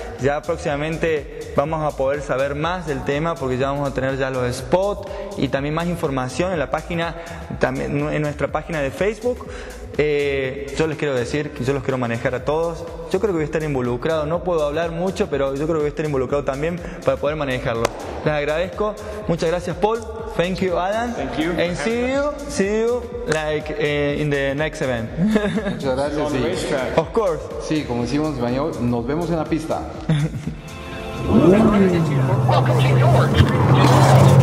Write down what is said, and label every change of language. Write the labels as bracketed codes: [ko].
[es] Ya próximamente vamos a poder saber más del tema porque ya vamos a tener ya los spots y también más información en la página, también en nuestra página de Facebook. Yo les quiero decir que yo los quiero manejar a todos. Yo creo que voy a estar involucrado, no puedo hablar mucho, pero yo creo que voy a estar involucrado también para poder manejarlo. Les agradezco, muchas gracias, Paul. [en] Thank you, Adam. Thank you. And see you like in the next event. [es] Muchas gracias. [en] On the racetrack. Of course. [es] Sí, como decimos en español, nos vemos en la pista.